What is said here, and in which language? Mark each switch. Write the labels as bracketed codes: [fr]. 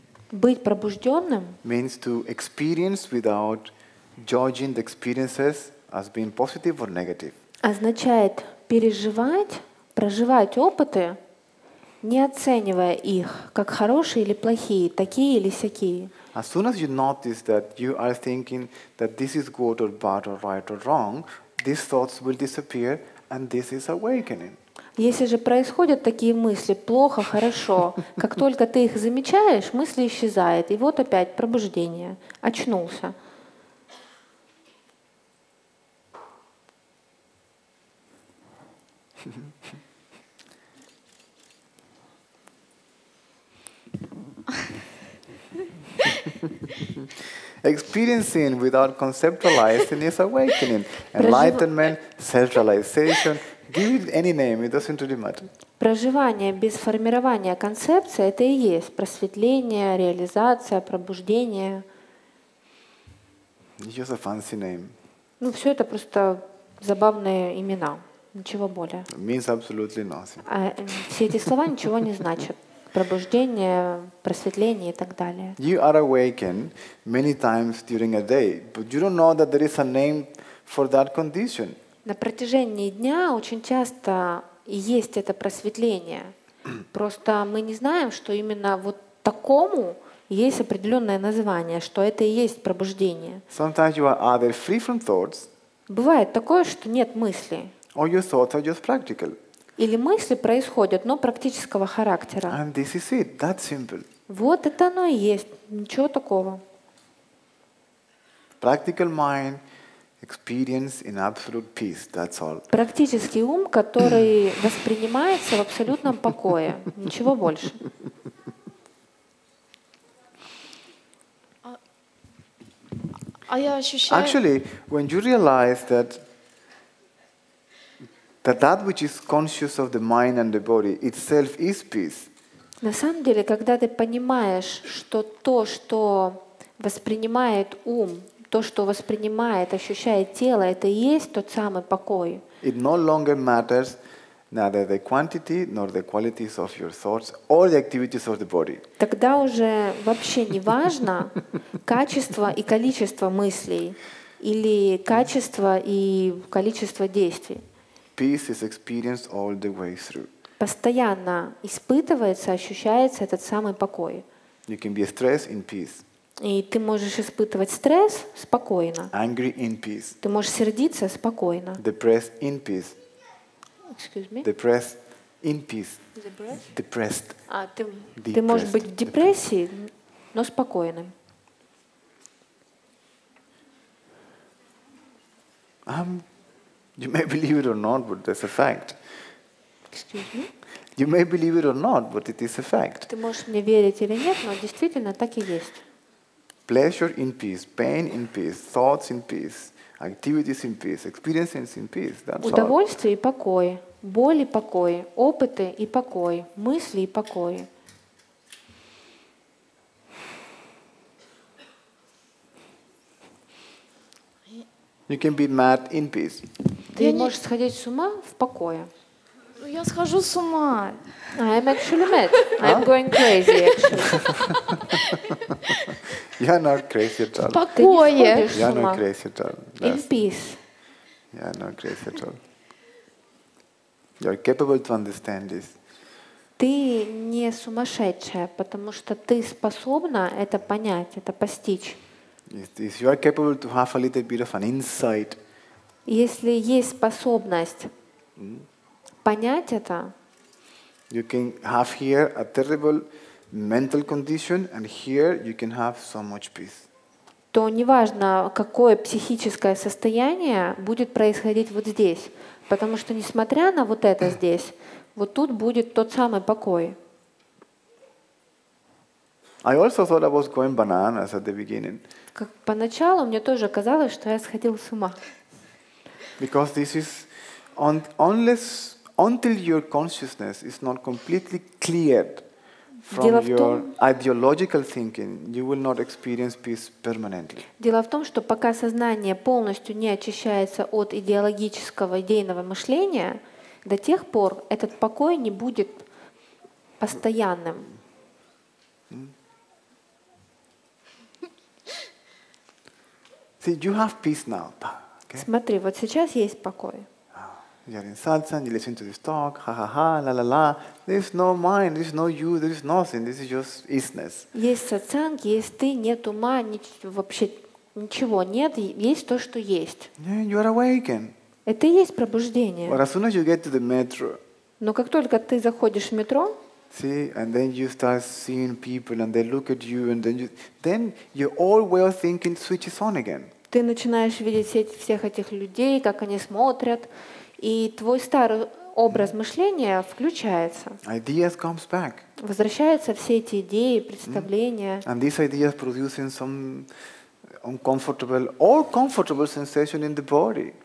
[ru] быть пробужденным, [en] means to experience without judging the experiences as being positive or negative. [ru] Означает переживать, проживать опыты, не оценивая их как хорошие или плохие, такие или сякие. [en] As soon as you notice that you are thinking that this is good or bad or right or wrong, these thoughts will disappear, and this is awakening. [ru] Если же происходят такие мысли, плохо, хорошо, как только ты их замечаешь, мысли исчезают, и вот опять пробуждение, очнулся. [en] Experiencing without conceptualizing is awakening. Enlightenment, self-realization, give it any name, it doesn't really matter. [ru] Проживание без формирования концепции — это и есть просветление, реализация, пробуждение. [en] It's just a fancy name. [ru] Ну, все это просто забавные имена, ничего более. [en] It means absolutely nothing. [ru] А все эти слова ничего не значат. Пробуждение, просветление и так далее. [en] You are awakened many times during a day, but you don't know that there is a name for that condition. [ru] На протяжении дня очень часто есть это просветление. Просто мы не знаем, что именно вот такому есть определенное название, что это и есть пробуждение. [en] Sometimes you are either free from thoughts. [ru] Бывает такое, что нет мысли. [en] Or your thoughts are just practical. [ru] Или мысли происходят, но практического характера. [en] And this is it. That's simple. [ru] Вот это оно и есть. Ничего такого. [en] Practical mind, experience in absolute peace. That's all. [ru] Практический ум, который воспринимается в абсолютном покое. Ничего больше. А я ощущаю. [en] Actually, when you realize that which is conscious of the mind and the body itself is peace. [ru] На самом деле, когда ты понимаешь, что то, что воспринимает ум, то, что воспринимает, ощущает тело, это и есть тот самый покой. [en] It no longer matters neither the quantity nor the qualities of your thoughts or the activities of the body. [ru] Тогда уже вообще не важно качество и количество мыслей или качество и количество действий. [en] Peace is experienced all the way through. [ru] Постоянно испытывается, ощущается этот самый покой. [en] You can be stressed in peace. [ru] И ты можешь испытывать стресс спокойно. [en] Angry in peace. [ru] Ты можешь сердиться спокойно. [en] Depressed in peace. Excuse me? Depressed in peace. Depressed. [ru] Ты можешь быть в депрессии, но спокойным. [en] You may believe it or not, but that's a fact. Excuse me? You may believe it or not, but it is a fact. [ru] Ты можешь мне верить или нет, но действительно так и есть. [en] Pleasure in peace, pain in peace, thoughts in peace, activities in peace, experiences in peace. That's all. [ru] Удовольствие и покой, боль и покой, опыты и покой, мысли и покой. [en] You can be mad in peace. [ru] Ты можешь сходить с ума в покое. Я схожу с ума. [en] I'm actually mad. I'm going crazy, actually. You're not crazy at all. [ru] В покое. [en] You're not crazy at all. In peace. You're not crazy at all. You're capable to understand this. [ru] Ты не сумасшедшая, потому что ты способна это понять, это постичь. [en] You are capable to have a little bit of an insight. [ru] Если есть способность понять это. [en] You can have here a terrible mental condition, and here you can have so much peace. [ru] То неважно, какое психическое состояние будет происходить вот здесь, потому что несмотря на вот это здесь, вот тут будет тот самый покой. [en] I also thought I was going bananas at the beginning. [ru] Как поначалу мне тоже казалось, что я сходил с ума. [en] Because this is until your consciousness is not completely cleared from your ideological thinking, you will not experience peace permanently. [ru] Дело в том, что пока сознание полностью не очищается от идеологического идейного мышления, до тех пор этот покой не будет постоянным. [en] See, you have peace now. [ru] Смотри, вот сейчас есть покой. [en] You're in salsa, you listen to this talk, ha ha ha, la la la. There's no mind, there's no you, there's nothing. This is just isness. [ru] Есть сатсанг, есть ты, нет ума, вообще ничего нет, есть то, что есть. [en] You are awakened. [ru] Это и есть пробуждение. [en] But as soon as you get to the metro. [ru] Но как только ты заходишь в метро. [en] See, and then you start seeing people, and they look at you, and then your old way of thinking switches on again. [ru] Ты начинаешь видеть всех этих людей, как они смотрят. И твой старый образ мышления включается. [en] Ideas comes back. [ru] Возвращаются все эти идеи, представления. [en] And these ideas producing some uncomfortable or comfortable sensation in the body.